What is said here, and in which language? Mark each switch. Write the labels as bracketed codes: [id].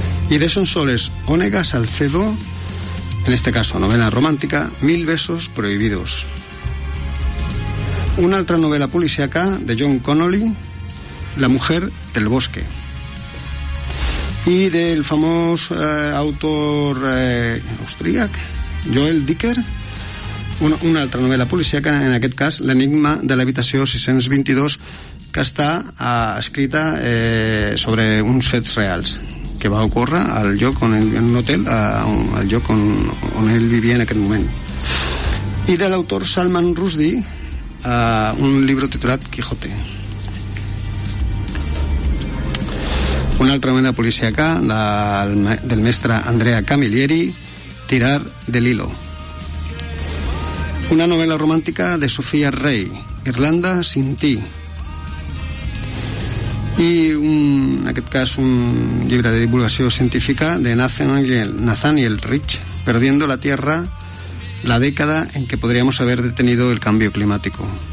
[es] Y de Sonsoles Onega Salcedo, en este caso novela romántica, Mil besos prohibidos. Una otra novela policíaca de John Connolly, La mujer del bosque. Y del famoso autor austríaco [ca] Joel Dicker, una altra novel·la policíaca, en aquest cas L'enigma de l'habitació 622, que està escrita sobre uns fets reals que va ocórrer al lloc on ell, en un hotel, al lloc on ell vivia en aquest moment. I de l'autor Salman Rushdie, un llibre titulat Quijote. Una altra novel·la policíaca del mestre Andrea Camilleri, Tirar del hilo. [es] Una novela romántica de Sofía Rey, Irlanda sin ti. [ca] Y en aquest cas un llibre de divulgació científica de Nathaniel Rich, Perdiendo la Tierra, la década en que podríamos haber detenido el cambio climático.